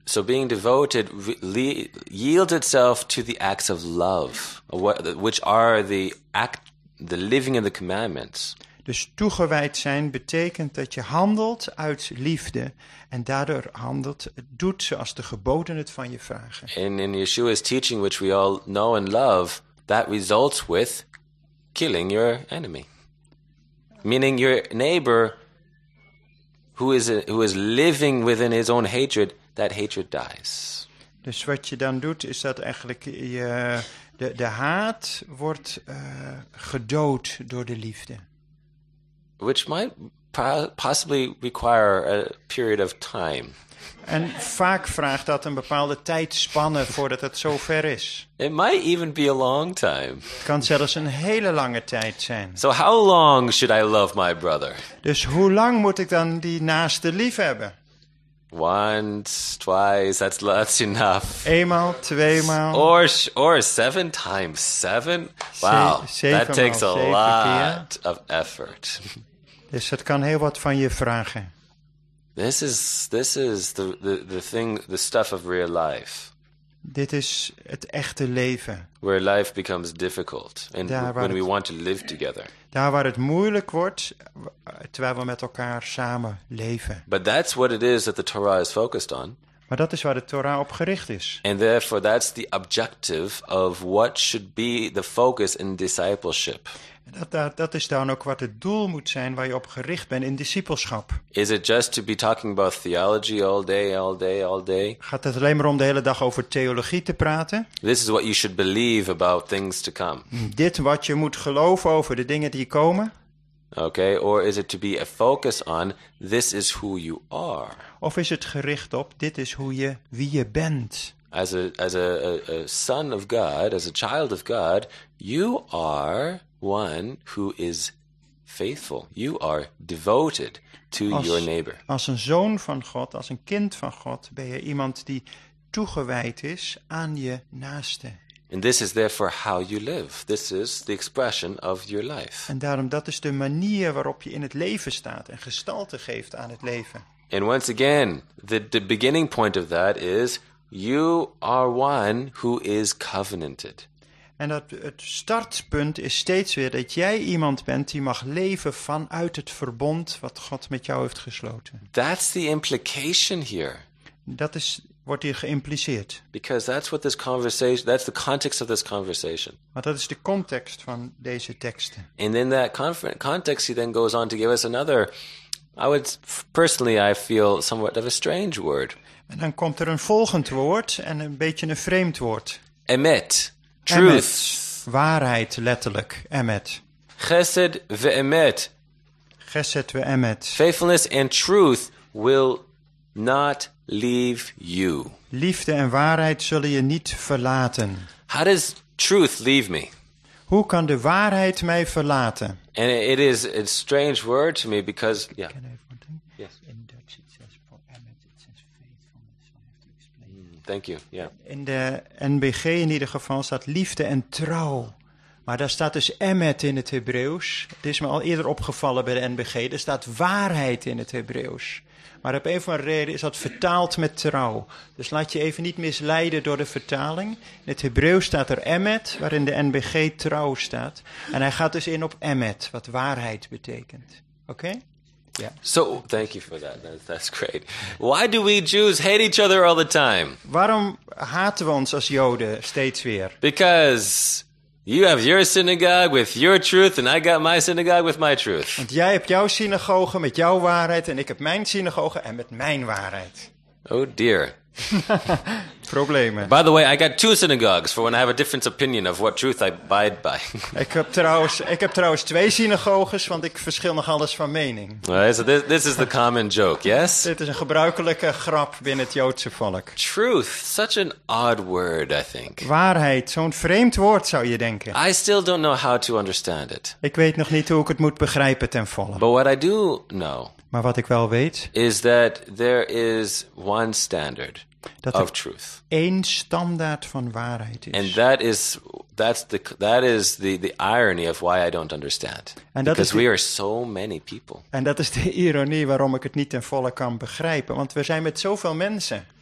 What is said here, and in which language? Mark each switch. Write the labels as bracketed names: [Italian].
[English] So being devoted yields itself to the acts of love, which are the act, the living in the commandments. [Dutch] Dus toegewijd zijn betekent dat je handelt uit liefde en daardoor handelt, doet zoals de geboden het van je vragen. [English] In Yeshua's teaching, which we all know and love, that results with killing your enemy. Meaning your neighbor who is living within his own hatred, that hatred dies. [Dutch] Dus wat je dan doet is dat eigenlijk je de haat wordt gedood door de liefde. [English] Which might possibly require a period of time. [Dutch] En vaak vraagt dat een bepaalde tijdspanne voordat het zover is. [English] It might even be a long time. [Dutch] Het kan zelfs een hele lange tijd zijn. [English] So how long should I love my brother? [Dutch] Dus hoe lang moet ik dan die naaste lief hebben? [English] Once, twice, that's enough. [Dutch] Eenmaal, tweemaal. [English] Or 7 times 7? Wow, that takes a lot of effort. [Dutch] Dus het kan heel wat van je vragen. [English] This is the thing, the stuff of real life. [Dutch] Dit is het echte leven. [English] Where life becomes difficult and when we want to live together. [Dutch] Daar waar het moeilijk wordt, terwijl we met elkaar samen leven. [English] But that's what it is that the Torah is focused on. [Dutch] Maar dat is waar de Torah op gericht is. [English] And therefore that's the objective of what should be the focus in discipleship. [Dutch] Dat is dan ook wat het doel moet zijn waar je op gericht bent in discipelschap. [English] Is it just to be talking about theology all day? [Dutch] Gaat het alleen maar om de hele dag over theologie te praten? [English] This is what you should believe about things to come. [Dutch] Dit wat je moet geloven over de dingen die komen? [English] Okay, or is it to be a focus on this is who you are? [Dutch] Of is het gericht op dit is hoe je wie je bent? [English] As a son of God, as a child of God, you are one who is faithful. You are devoted to your neighbor. [Dutch] Als een zoon van God, als een kind van God, ben je iemand die toegewijd is aan je naaste. [English] And this is therefore how you live. This is the expression of your life. [Dutch] En daarom, dat is de manier waarop je in het leven staat en gestalte geeft aan het leven. [English] And once again, the beginning point of that is you are one who is covenanted. [Dutch] En dat het startpunt is steeds weer dat jij iemand bent die mag leven vanuit het verbond wat God met jou heeft gesloten. [English] That's the implication here. [Dutch] Dat is wordt hier geïmpliceerd. [English] Because that's what this conversation, that's the context of this conversation. [Dutch] Maar dat is de context van deze teksten. [English] And in that context he then goes on to give us another, I would personally I feel somewhat of a strange word. [Dutch] En dan komt er een volgend woord en een beetje een vreemd woord. [English] Emet. Truth. [Dutch] Emet, waarheid letterlijk. [Hebrew] Emet. Chesed ve-emet. Chesed ve-emet. [English] Faithfulness and truth will not leave you. [Dutch] Liefde en waarheid zullen je niet verlaten. [English] How does truth leave me? [Dutch] Hoe kan de waarheid mij verlaten? [English] And it is a strange word to me because yeah. Can I have one thing? Yes. In Dutch it says for emet, it says faithfulness. I have to explain. Thank you. Yeah. [Dutch] In de NBG in ieder geval staat liefde en trouw. Maar daar staat dus emet in het Hebreeuws. Het is me al eerder opgevallen bij de NBG. Er staat waarheid in het Hebreeuws. Maar op een of andere reden is dat vertaald met trouw. Dus laat je even niet misleiden door de vertaling. In het Hebreeuws staat er emet, waarin de NBG trouw staat. En hij gaat dus in op emet, wat waarheid betekent. Oké? Okay? Ja. [English] Yeah. So, thank you for that. That's great. Why do we Jews hate each other all the time? [Dutch] Waarom haten we ons als Joden steeds weer? [English] Because you have your synagogue with your truth and I got my synagogue with my truth. [Dutch] Want jij hebt jouw synagoge met jouw waarheid en ik heb mijn synagoge en met mijn waarheid. [English] Oh dear. [Dutch] Problemen. [English] By the way, I got two synagogues for when I have a different opinion of what truth I abide by. [Dutch] Ik heb trouwens twee synagoges, want ik verschil nog alles van mening. [English] Right, so this is the common joke, yes? [Dutch] Dit is een gebruikelijke grap binnen het Joodse volk. [English] Truth, such an odd word, I think. [Dutch] Waarheid, zo'n vreemd woord zou je denken. [English] I still don't know how to understand it. [Dutch] Ik weet nog niet hoe ik het moet begrijpen ten volle. [English] But what I do know. [Dutch] Maar wat ik wel weet [English] is that there is one standard of truth. [Dutch] Eén standaard van waarheid is. [English] And that is the irony of why I don't understand. Because we are so many people. [Dutch] En dat is de ironie waarom ik het niet ten volle kan begrijpen, want we zijn met zoveel mensen.